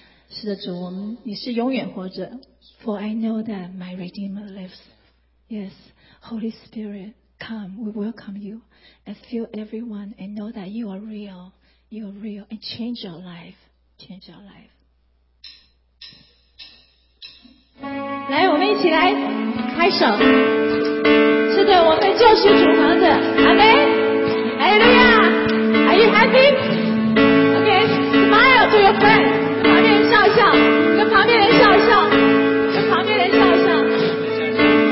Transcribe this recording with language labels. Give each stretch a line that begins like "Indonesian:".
Chinese: 是的，主，我们你是永远活着。
English: For I know that my Redeemer lives. Yes, Holy Spirit, come, we welcome you and fill everyone and know that you are real, you are real and change your life, change your life.
Chinese: 来，我们一起来拍手。是的，我们就是主活着，阿门。
English: Hallelujah! Are you happy? Okay, smile to your friend.
Chinese: 旁边人笑笑，跟旁边人笑笑，跟旁边人笑笑。